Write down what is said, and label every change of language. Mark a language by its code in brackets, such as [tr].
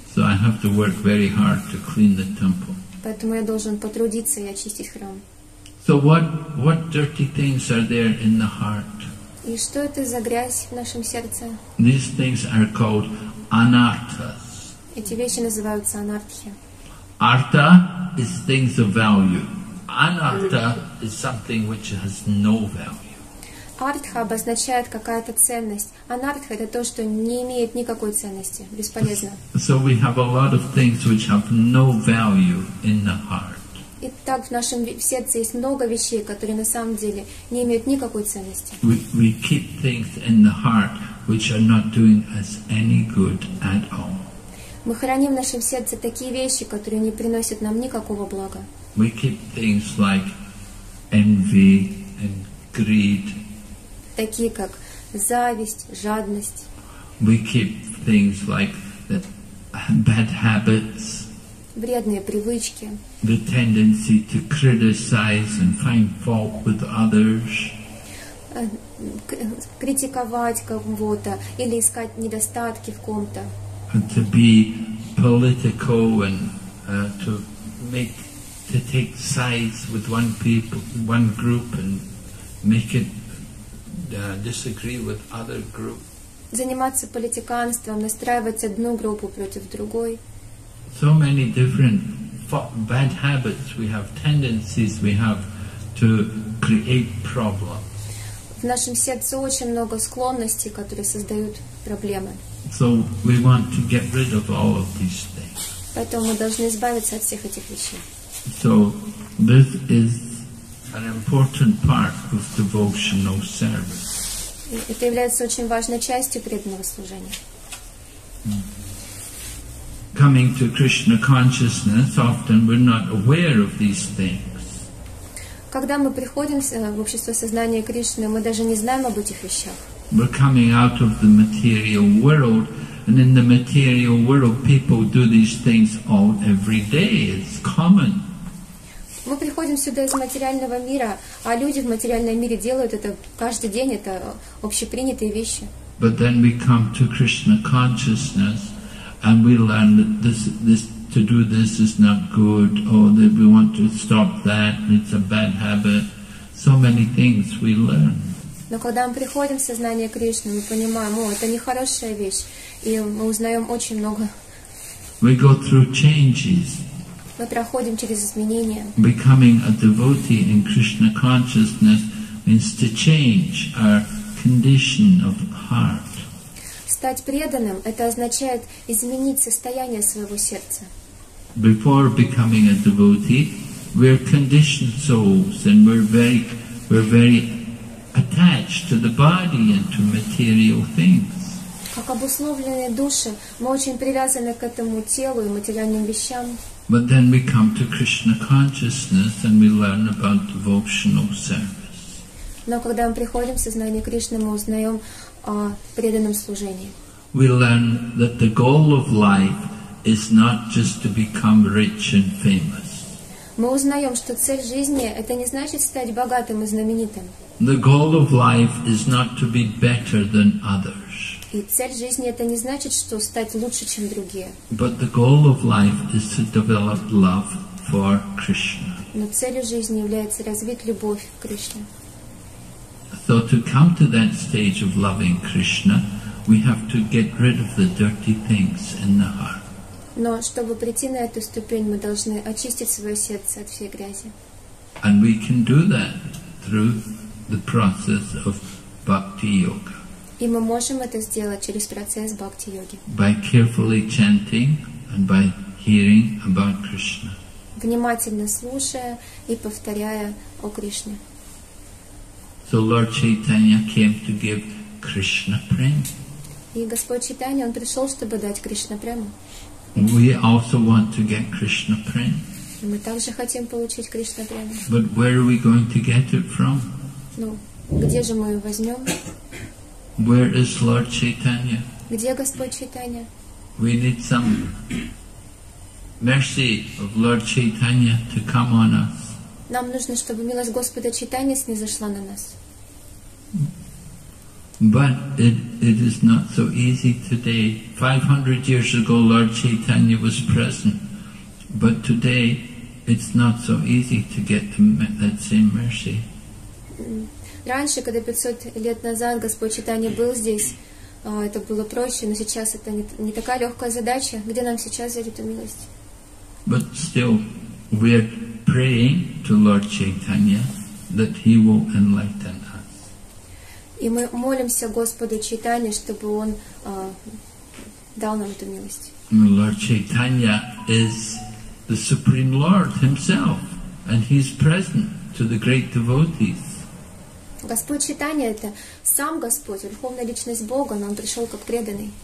[en] So I have to work very hard to clean the temple. [ru] Поэтому я должен потрудиться и очистить храм. [en] So what dirty things are there in the heart? [ru] И что это за грязь в нашем сердце? [en] These things are called anarthas. [ru] Эти вещи называются анартхи. [en] Artha is things of value. Anartha is something which has no value. [ru] Artha обозначает какая-то ценность. Anartha это то, что не имеет никакой ценности, бесполезно. [en] So we have a lot of things which have no value in the heart. [ru] И так в нашем сердце есть много вещей, которые на самом деле не имеют никакой ценности. [en] We keep things in the heart which are not doing us any good at all. [ru] Мы храним в нашем сердце такие вещи, которые не приносят нам никакого блага. [en] We keep things like envy and greed. [ru] Такие как зависть, жадность. [en] We keep things like the bad habits. [ru] Вредные привычки. [en] The tendency to criticize and find fault with others. [ru] Критиковать кого-то или искать недостатки в ком-то. [en] To be political and to take sides with one people, one group, and make it disagree with other group. [ru] Заниматься политиканством, настраивать одну группу против другой. [en] So many different bad habits we have, tendencies we have to create problems. [ru] В нашем сердце очень много склонностей, которые создают проблемы. [en] So we want to get rid of all of these things. [ru] Поэтому мы должны избавиться от всех этих вещей. [en] So this is an important part of devotional service. [ru] Это является очень важной частью преданного служения. [en] Coming to Krishna consciousness, often we're not aware of these things. [ru] Когда мы приходим в общество сознания Кришны, мы даже не знаем об этих вещах. [en] We're coming out of the material world, and in the material world, people do these things all every day. It's common. [ru] Мы приходим сюда из материального мира, а люди в материальном мире делают это каждый день. Это общепринятые вещи. [en] But then we come to Krishna consciousness, and we learn that this to do this is not good, or that we want to stop that. It's a bad habit. So many things we learn. [ru] Но когда мы приходим в сознание Кришны, мы понимаем, о, это нехорошая вещь, и мы узнаем очень много. [en] We go through changes. [ru] Мы проходим через изменения. [en] Becoming a devotee in Krishna consciousness means to change our condition of heart. [ru] Стать преданным — это означает изменить состояние своего сердца. [en] Before becoming a devotee, we're conditioned souls, and we're very attached to the body and to material things. [ru] Как обусловленные души, мы очень привязаны к этому телу и материальным вещам. [en] But then we come to Krishna consciousness and we learn about devotional service. [ru] Но когда мы приходим в сознание Кришны, мы узнаем о преданном служении. [en] We learn that the goal of life is not just to become rich and famous. [ru] Мы узнаем, что цель жизни — это не значит стать богатым и знаменитым. [en] The goal of life is not to be better than others. [ru] И цель жизни это не значит, что стать лучше, чем другие. [en] But the goal of life is to develop love for Krishna. [ru] Но целью жизни является развить любовь к Кришне. [en] So to come to that stage of loving Krishna, we have to get rid of the dirty things in the heart. [ru] Но чтобы прийти на эту ступень, мы должны очистить свое сердце от всей грязи. [en] And we can do that through the process of bhakti yoga. [ru] И мы можем это сделать через процесс бхакти-йоги. [en] By carefully chanting and by hearing about Krishna. [ru] Внимательно слушая и повторяя о Кришне. [en] So Lord Chaitanya came to give Krishna prema. [ru] И Господь Чайтанья, Он пришел, чтобы дать Кришна прему. [en] We also want to get Krishna prema. [ru] Мы также хотим получить Кришна прему. [en] But where are we going to get it from? [ru] Ну, где же мы ее возьмем? [en] Where is Lord Chaitanya? [ru] Где Господь Чайтанья? [en] We need some mercy of Lord Chaitanya to come on us. [ru] Нам нужно, чтобы милость Господа Чайтанья снизошла на нас. [en] But it is not so easy today. 500 years ago Lord Chaitanya was present. But today it's not so easy to get that same mercy. [ru] Раньше, когда 500 лет назад Господь Чайтанья был здесь, это было проще, но сейчас это не такая легкая задача. Где нам сейчас взять эту милость? [en] But still, we are praying to Lord Chaitanya that he will enlighten us. [ru] И мы молимся Господу Чайтанье, чтобы он дал нам эту милость. [en] Lord Chaitanya is the Supreme Lord himself, and he's present to the great devotees. [ru] Господь Чайтанья — это сам Господь, Верховная Личность Бога, но Он пришел как преданный.